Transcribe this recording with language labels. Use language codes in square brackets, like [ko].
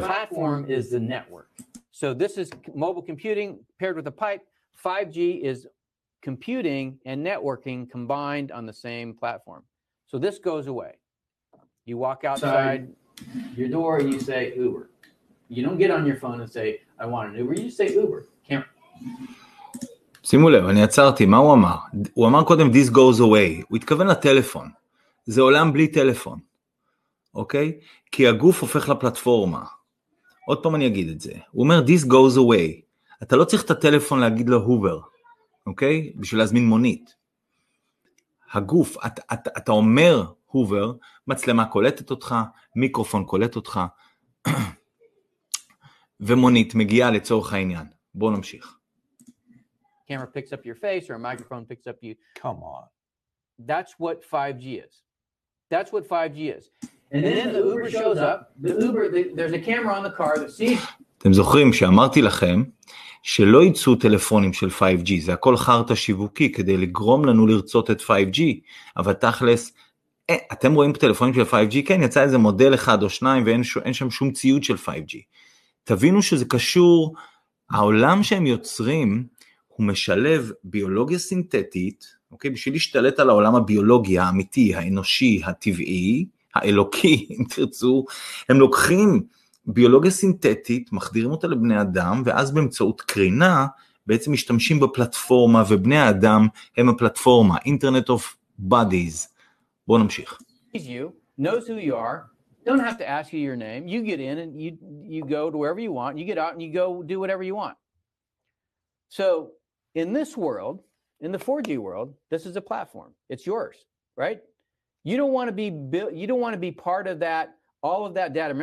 [en] The platform is the network. So this is mobile computing paired with a pipe. 5G is computing and networking combined on the same platform. So this goes away. You walk outside your door and you say Uber. You don't get on your phone and say, I want an Uber. You say Uber. [he] שימו לב, אני עצרתי, מה הוא אמר? הוא אמר קודם, [en] this goes away. [he] הוא התכוון לטלפון. זה עולם בלי טלפון. אוקיי? כי הגוף הופך לפלטפורמה. עוד פעם אני אגיד את זה. הוא אומר, [en] this goes away. [he] אתה לא צריך את הטלפון להגיד לו הובר. אוקיי? בשביל להזמין מונית. הגוף, אתה אומר הובר, מצלמה קולטת אותך, מיקרופון קולט אותך, ומונית מגיעה לצורך העניין. בואו נמשיך. [en] Camera picks up your face or a microphone picks up you. Come on. That's what 5G is. That's what 5G is. And then the Uber shows up. There's a camera on the car that sees. [he] אתם זוכרים שאמרתי לכם שלא ייצאו טלפונים של 5G. זה הכל חרטה שיווקי כדי לגרום לנו לרצות את 5G. אבל תכלס, אתם רואים טלפונים של 5G? כן, יצא איזה מודל אחד או שניים ואין שם שום ציוד של 5G. תבינו שזה קשור, העולם שהם יוצרים, הוא משלב ביולוגיה סינתטית, אוקיי, בשביל להשתלט על העולם הביולוגיה האמיתי, האנושי, הטבעי, האלוקי, אם תרצו, הם לוקחים ביולוגיה סינתטית, מחדירים אותה לבני אדם, ואז באמצעות קרינה, בעצם משתמשים בפלטפורמה, ובני האדם הם הפלטפורמה, Internet of Bodies. בואו נמשיך. [en] You, knows who you are. Don't have to ask you your name. You get in and you go to wherever you want. You get out and you go do whatever you want. So in this world, in the 4G world, this is a platform. It's yours, right? You don't want to be part of that, all of that data.